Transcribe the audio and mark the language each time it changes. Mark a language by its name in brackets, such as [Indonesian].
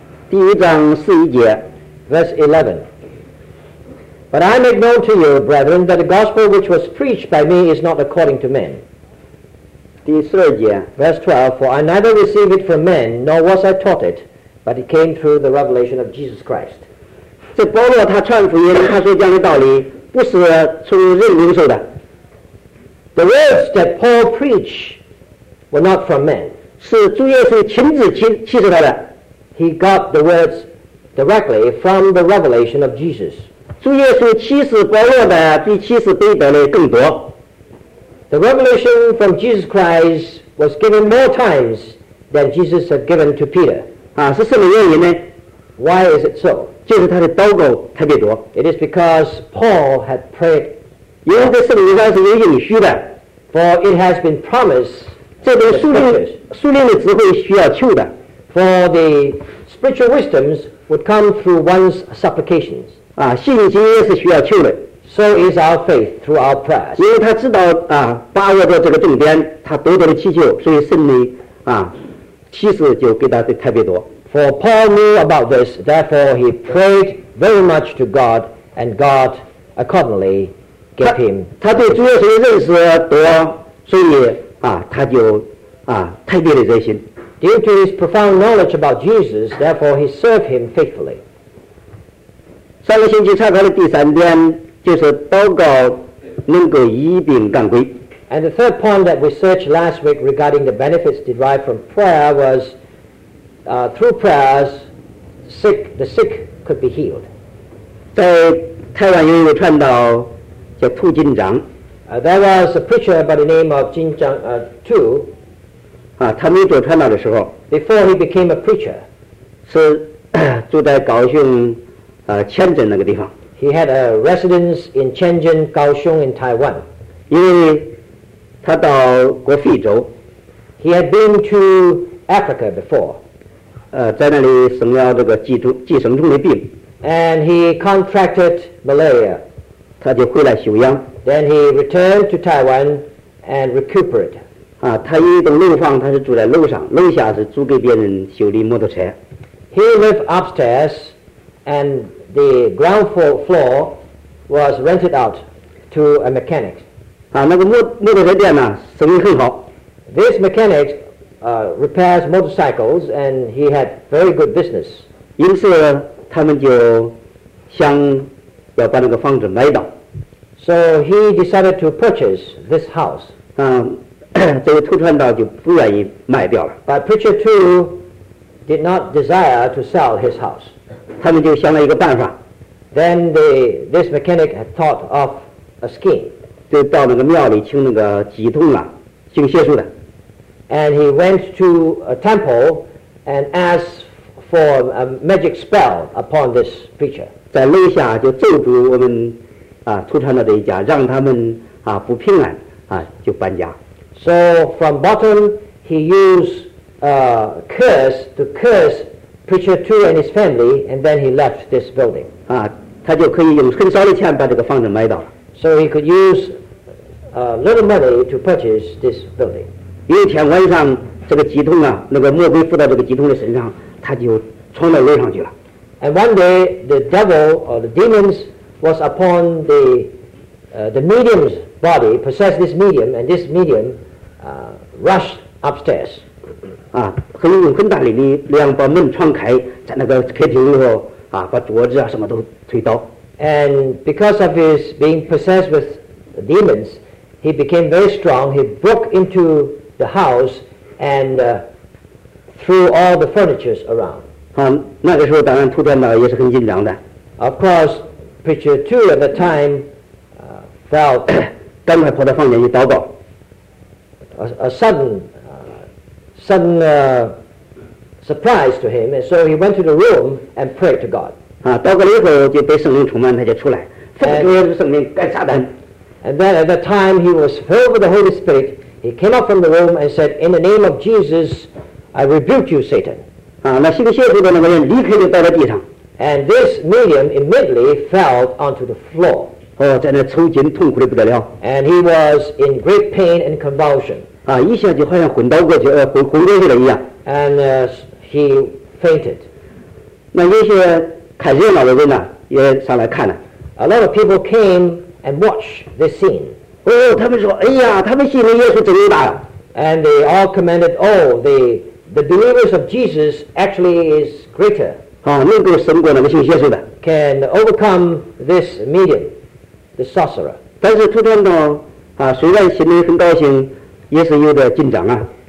[English] Verse 11. But I make known to you, brethren, that the gospel which was preached by me is not according to men. [Chinese] 第四节 [English] Verse 12. For I neither received it from men, nor was I taught it, but it came through the revelation of Jesus Christ. [Chinese] 这保罗他传福音，他说这样的道理不是从人领受的。 [English] The words that Paul preached were not from men. [Chinese] 是主耶稣亲自启示他的。 [English] He got the words directly from the revelation of Jesus. [Chinese] 主耶稣启示保罗的比启示彼得的更多。 [English] The revelation from Jesus Christ was given more times than Jesus had given to Peter. [Chinese] 啊，是什么原因呢？ [English] Why is it so? [Chinese] 就是他的祷告特别多。 [English] It is because Paul had prayed. [Chinese] 因为这圣灵应该是有应许的。 [English] For it has been promised. [Chinese] 这个属灵的智慧需要求的。 [English] For the spiritual wisdoms would come through one's supplications. [Chinese] 啊，信心也是需要求的。 [English] So is our faith through our prayers. [Chinese] 因为他知道啊，把握着这个重点，他多多的祈求，所以圣灵啊，启示就给他的特别多。 [English] For Paul knew about this, therefore he prayed very much to God, and God accordingly gave him. [Chinese] 他对主耶稣的认识多，所以啊，他就啊特别的热心。 [English] Due to his profound knowledge about Jesus, therefore he served him faithfully. [Chinese] 上个星期查考的第三点就是祷告能够医病赶鬼。 [English] And the third point that we searched last week regarding the benefits derived from prayer was. Through prayers, the sick could be healed. [Chinese] 在台湾有一位传道叫兔金章。 [English] There was a preacher by the name of 金章兔。 [Chinese] 啊，他没做传道的时候。 [English] Before he became a preacher, [Chinese] 是住在高雄前镇那个地方。 [English] He had a residence in Tianjin, Kaohsiung, in Taiwan. [Chinese] 因为他到过非洲。 [English] He had been to Africa before. [Chinese] 在那里生了这个寄生虫的病 [English] and he contracted malaria [Chinese] 他就回来休养 [English] then he returned to Taiwan and recuperated [Chinese] 啊，他一栋楼房他是住在楼上楼下是租给别人修理摩托车 [English] he lived upstairs and the ground floor was rented out to a mechanic [Chinese] 啊，那个摩托车店呢生意很好 [English] this mechanicrepairs motorcycles and he had very good business. [Chinese] 因此他们就想要把那个房子买到。 [English] So he decided to purchase this house. [Chinese] 这个兔传道就不愿意卖掉了。 [English] But preacher too did not desire to sell his house. [Chinese] 他们就想了一个办法。 [English] Then this mechanic had thought of a scheme. [Chinese] 就到那个庙里请那个乩童啊，请邪术的。 [English] And he went to a temple and asked for a magic spell upon this preacher. [Chinese] 在楼下就咒住我们啊，土产的一家，让他们啊不平安啊，就搬家。 [English] So from bottom, he used a curse to curse preacher two and his family, and then he left this building. [Chinese] 啊，他就可以用很少的钱把这个房子买到。 [English] So he could use a little money to purchase this building. [Chinese] 有一天晚上这个乩童啊那个魔鬼附到这个乩童的身上他就闯到楼上去了 [English] and one day the devil or the demons was upon the medium's body possessed this medium and this medium rushed upstairs [Chinese] 啊很用很大的力量把门闯开在那个客厅里头啊把桌子啊什么都推倒 [English] and because of his being possessed with demons he became very strong he broke intothe house and threw all the furniture around. [Chinese] 那个时候当然土传道也是很紧张的。 [English] Of course, preacher two at the time felt [Chinese] 赶快跑到房间去祷告。 [English] A sudden surprise to him, and so he went to the room and prayed to God. [Chinese] 祷告了以后就被圣灵充满，他就出来，奉主耶稣圣名赶撒旦。 [English] And then at the time he was filled with the Holy Spirit. He came up from the room and said, In the name of Jesus, I rebuke you, Satan. [Chinese] 那信邪术的那个人立刻就倒在地上。 [English] And this medium immediately fell onto the floor. [Chinese] 哦, 在那抽筋, 痛苦得不得了。 [English] And he was in great pain and convulsion. [Chinese] 啊, 一下就好像昏倒过去, 昏过去了一样。 [English] And he fainted. [Chinese] 那有些看热闹的人呢, 也上来看了。 [English] A lot of people came and watched this scene. [Chinese] 哦, 他们说, 哎呀, 他们信了耶稣真大了。 [English] And they all commented, oh, the believers of Jesus actually is greater. [Chinese] 啊, 能够胜过那个信耶稣的。 [English] Can overcome this medium, the sorcerer. [Chinese] 但是突然到, 啊, 虽然心里很高兴, 也是有点紧张啊。